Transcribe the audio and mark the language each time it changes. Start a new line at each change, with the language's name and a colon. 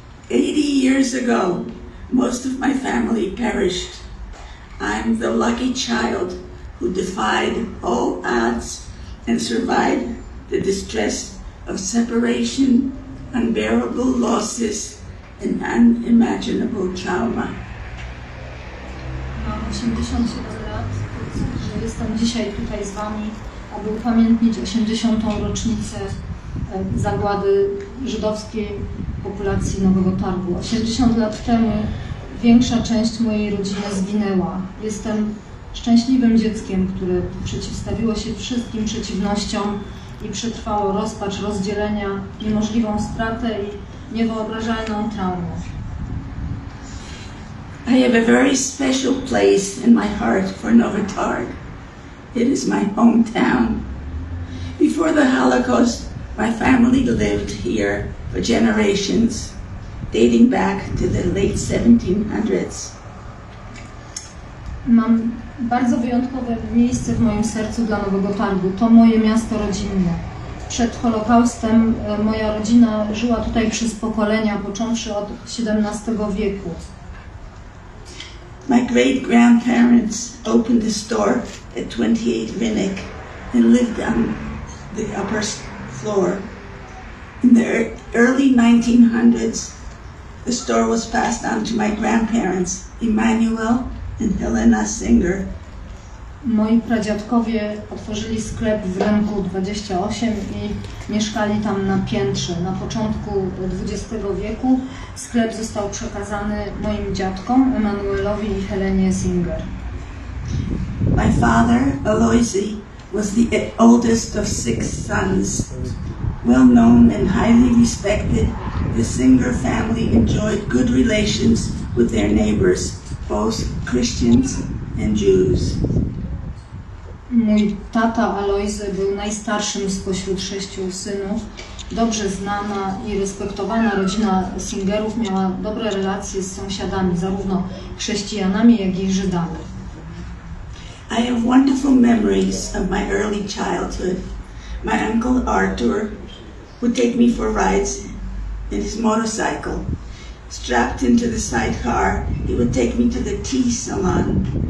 English: 80 years ago, most of my family perished. I'm the lucky child who defied all odds and survived the distress of separation, unbearable losses, and unimaginable trauma.
Polish: Mam 87 lat, że jestem dzisiaj tutaj z wami, aby upamiętnić 80. rocznicę zagłady żydowskiej populacji Nowego Targu. 80 lat temu większa część mojej rodziny zginęła. Jestem szczęśliwym dzieckiem, które przeciwstawiło się wszystkim przeciwnościom i przetrwało rozpacz rozdzielenia, niemożliwą stratę i niewyobrażalną traumę.
English: I have a very special place in my heart for Nowy Targ. It is my hometown. Before the Holocaust, my family lived here for generations. dating back to the late 1700s.
Polish: Mam bardzo wyjątkowe miejsce w moim sercu dla Nowego Targu. To moje miasto rodzinne. Przed Holokaustem moja rodzina żyła tutaj przez pokolenia, począwszy od XVII wieku.
English: My great-grandparents opened a store at 28 Winnick and lived on the upper floor. In the early 1900s, the store was passed on to my grandparents, Emmanuel and Helena Singer.
Polish: Moi pradziadkowie otworzyli sklep w rynku 28 i mieszkali tam na piętrze. Na początku XX wieku sklep został przekazany moim dziadkom, Emanuelowi i Helenie Singer.
English: My father, Aloisi, was the oldest of six sons. Well known and highly respected, the Singer family enjoyed good relations with their neighbors, both Christians and Jews.
Polish: Mój tata Aloisy był najstarszym spośród sześciu synów. Dobrze znana i respektowana rodzina Singerów miała dobre relacje z sąsiadami, zarówno chrześcijanami, jak i Żydami.
English: I have wonderful memories of my early childhood. My uncle Arthur would take me for rides in his motorcycle. Strapped into the sidecar, he would take me to the tea salon.